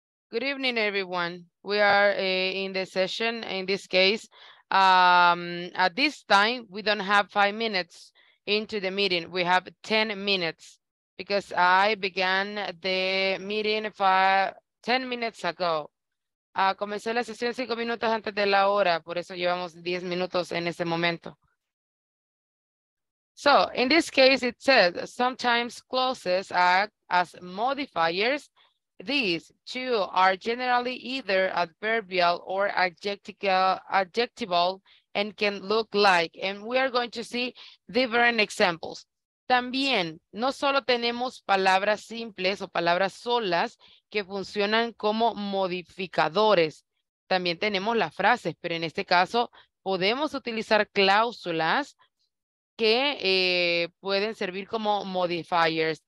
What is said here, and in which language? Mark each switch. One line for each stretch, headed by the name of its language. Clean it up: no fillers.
English: Good evening, everyone. We are in the session. In this case, at this time, we don't have 5 minutes into the meeting. We have 10 minutes because I began the meeting 10 minutes ago.
Spanish: Comenzó la sesión 5 minutos antes de la hora, por eso llevamos 10 minutos en ese momento.
English: So, in this case, it says, sometimes clauses act as modifiers. These two are generally either adverbial or adjectival and can look like, and we are going to see different examples.
Spanish: También, no solo tenemos palabras simples o palabras solas que funcionan como modificadores. También tenemos las frases, pero en este caso podemos utilizar cláusulas que pueden servir como modifiers.